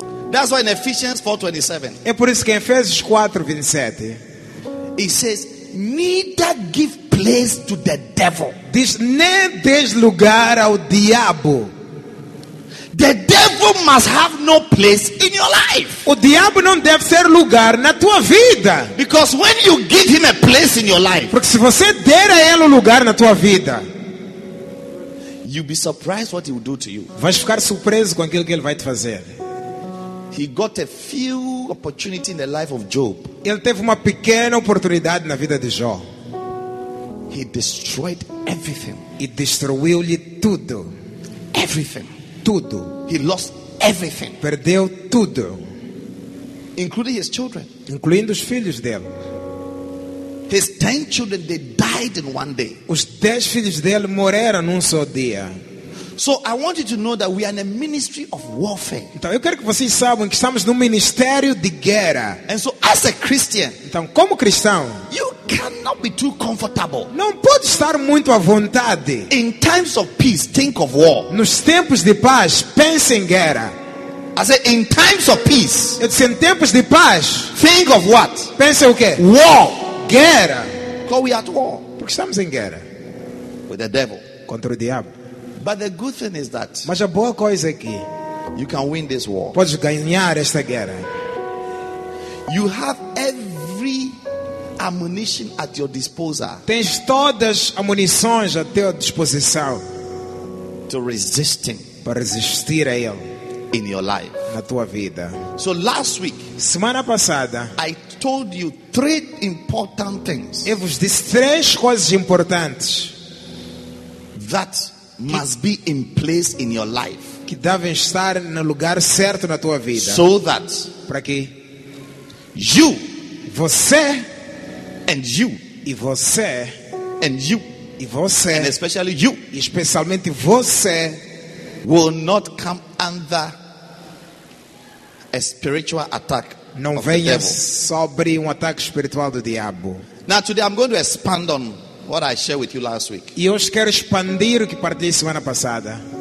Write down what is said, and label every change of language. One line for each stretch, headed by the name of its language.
English: That's why in Ephesians 4:27.
Portuguese: É por isso que em Efésios 4:27.
English: He says. Neither give place to the devil.
Portuguese: Diz, nem des lugar ao diabo.
English: The devil must have no place in your life.
Portuguese: O diabo não deve ter lugar na tua vida.
English: Because when you give him a place in your life.
Portuguese: Porque se você der a ele lugar na tua vida.
English: You'll be surprised what he will do to you.
Portuguese: Vais ficar surpreso com aquilo que ele vai te fazer.
English: He got a few opportunity in the life of Job.
Portuguese: Ele teve uma pequena oportunidade na vida de Jó.
English: He destroyed everything.
Portuguese: E destruiu-lhe tudo.
English: Everything.
Portuguese: Tudo.
English: He lost everything.
Portuguese: Perdeu tudo.
English: Including his children.
Portuguese: Incluindo os filhos dele.
English: His 10 children, they died in one day.
Portuguese: Os 10 filhos dele morreram num só dia.
English: So I want you to know that we are in a ministry of warfare.
Portuguese: Então eu quero que vocês saibam que estamos no ministério de guerra.
English: And so as a Christian,
Portuguese: então como cristão,
English: you cannot be too comfortable.
Portuguese: Não pode estar muito à vontade.
English: In times of peace, think of war.
Portuguese: Nos tempos de paz, pense em guerra.
English: I said, in times of peace.
Portuguese: Eu disse, em tempos de paz,
English: think of what?
Portuguese: Pense o quê?
English: War,
Portuguese: guerra.
English: Because we are at war.
Portuguese: Porque estamos em guerra.
English: With the devil.
Portuguese: Contra o diabo.
English: But the good thing is that.
Portuguese: Mas a boa coisa é que
English: you can win this war.
Portuguese: Podes ganhar esta guerra.
English: You have every ammunition at your disposal.
Portuguese: Tens todas as munições à tua disposição.
English: To resist him.
Portuguese: Para resistir a ele.
English: in your life.
Portuguese: Na tua vida.
English: So last week,
Portuguese: semana passada,
English: I told you three important things.
Portuguese: Eu vos disse três coisas importantes
English: that must be in place in your life.
Portuguese: Que devem estar no lugar certo na tua vida.
English: So that,
Portuguese: para que
English: you,
Portuguese: você,
English: and you,
Portuguese: e você,
English: and you,
Portuguese: e você,
English: and especially you,
Portuguese: especialmente você,
English: will not come under a spiritual attack.
Portuguese: Não venha sobre um ataque espiritual do diabo.
English: Now today I'm going to expand on what I shared with you last week.
Portuguese: E hoje quero expandir o que partilhei semana passada.